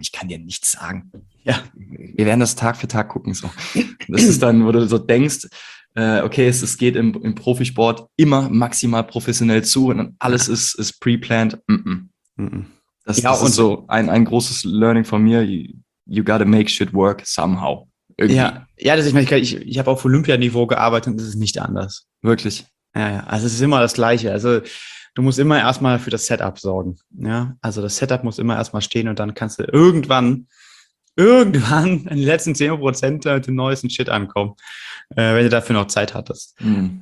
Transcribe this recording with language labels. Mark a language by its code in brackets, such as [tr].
[de] Ich kann dir nichts sagen. Ja, wir werden das Tag für Tag gucken. So, das ist dann, wo du so denkst, okay, es geht im Profisport immer maximal professionell zu und alles ist pre-planned. Mm-mm. Das, ja, das ist so ein großes Learning von mir. [en] You gotta make shit work somehow. [de] Irgendwie. Ja, das ist, ich habe auf Olympianiveau gearbeitet und das ist nicht anders. Wirklich. Ja, also es ist immer das Gleiche. Also du musst immer erstmal für das Setup sorgen. Ja, also das Setup muss immer erstmal stehen und dann kannst du irgendwann in den letzten 10% mit dem neuesten Shit ankommen, wenn du dafür noch Zeit hattest. Mhm.